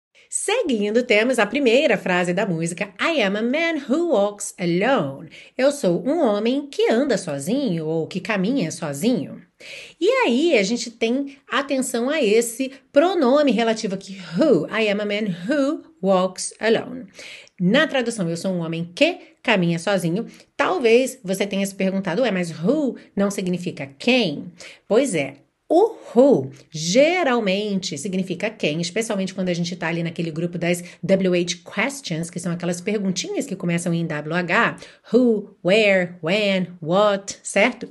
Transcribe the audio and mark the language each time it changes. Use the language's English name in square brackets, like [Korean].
[Portuguese] Seguindo, temos a primeira frase da música, [English] I am a man who walks alone. [Portuguese] Eu sou um homem que anda sozinho ou que caminha sozinho. E aí, a gente tem atenção a esse pronome relativo aqui, who. [English] I am a man who walks alone. [Portuguese] Na tradução, eu sou um homem que caminha sozinho. Talvez você tenha se perguntado, ué, mas who não significa quem? Pois é. O who geralmente significa quem, especialmente quando a gente está ali naquele grupo das WH questions, que são aquelas perguntinhas que começam em WH, who, where, when, what, certo?